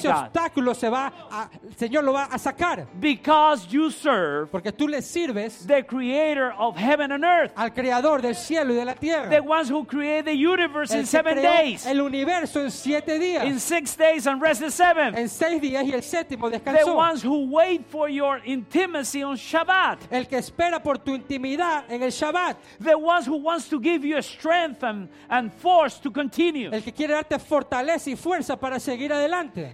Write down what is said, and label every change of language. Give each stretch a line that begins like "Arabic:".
Spanish: Ese obstáculo se va, el Señor lo va a sacar.
English: Because you serve,
Spanish: porque tú le sirves,
English: the Creator of heaven and earth,
Spanish: al Creador del cielo y de la tierra,
English: the ones who created the universe in 7 days,
Spanish: el universo en 7 días,
English: in 6 days and rest the seventh,
Spanish: en 6 días y el séptimo descansó.
English: The ones who wait for your intimacy on Shabbat,
Spanish: el que espera por tu intimidad en el Shabbat,
English: the ones who wants to give you strength and force to continue,
Spanish: el que quiere darte fortaleza y fuerza para seguir adelante,